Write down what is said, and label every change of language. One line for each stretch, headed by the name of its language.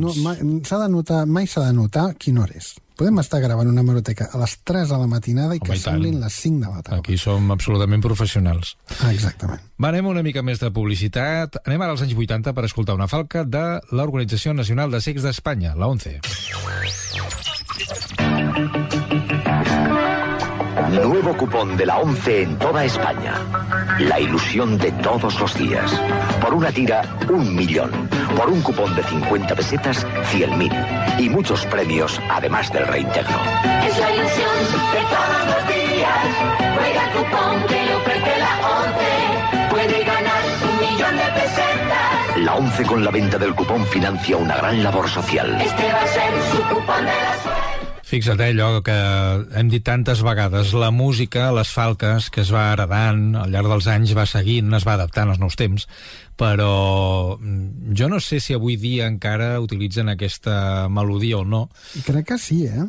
Catalan: No, mai s'ha de notar quina hora és. Podem estar gravant una hemeroteca a les 3 de la matinada i que semblin les 5 de la tarda. Aquí som absolutament professionals. Ah, exactament. Va, anem una mica més de publicitat. Anem ara als anys 80 per escoltar una falca de l'Organització Nacional de Cecs d'Espanya, la ONCE.
Spanish: Nuevo cupón de la ONCE en toda España. La ilusión de todos los días. Por una tira, 1 millón. Por un cupón de 50 pesetas, 100.000. Y muchos premios, además del reintegro. Es la ilusión de todos los días. Juega el cupón que lo prende la ONCE. Puede ganar 1 millón de pesetas. La ONCE con la venta del cupón financia una gran labor social. Este va a ser su cupón de la suerte.
Catalan: Fixa't, allò que hem dit tantes vegades, la música, les falques, que es va heredant al llarg dels anys, va seguint, es va adaptant als nous temps, però jo no sé si avui dia encara utilitzen aquesta melodia o no. Crec que sí, eh?